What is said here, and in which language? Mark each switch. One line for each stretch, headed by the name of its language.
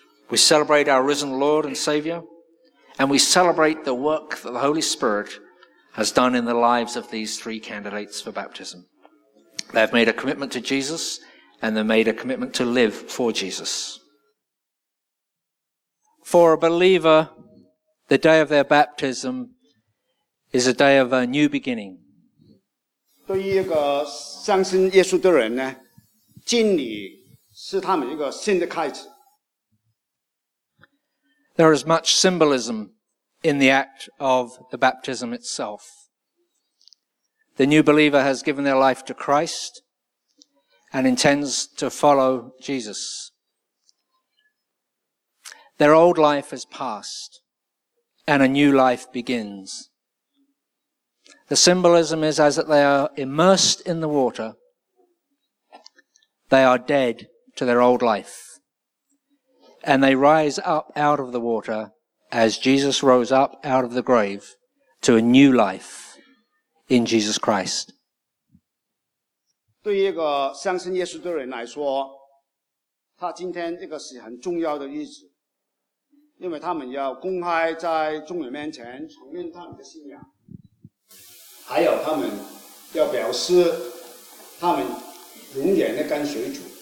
English: We celebrate our risen Lord and Savior, and we celebrate the work that the Holy Spirit has done in the lives of these three candidates for baptism. They have made a commitment to Jesus,and they made a commitment to live for Jesus. For a believer, the day of their baptism is a day of a new beginning.
Chinese: 对于一个相信耶稣的人呢，浸礼是他们一个新的开始。
English: There is much symbolism in the act of the baptism itself. The new believer has given their life to Christ,and intends to follow Jesus. Their old life has passed, and a new life begins. The symbolism is as that they are immersed in the water, they are dead to their old life, and they rise up out of the water as Jesus rose up out of the grave to a new life in Jesus Christ.
Chinese: 对于一个相信耶稣的人来说，他今天这个是很重要的日子，因为他们要公开在众人面前承认他们的信仰，还有他们要表示他们永远的跟随主。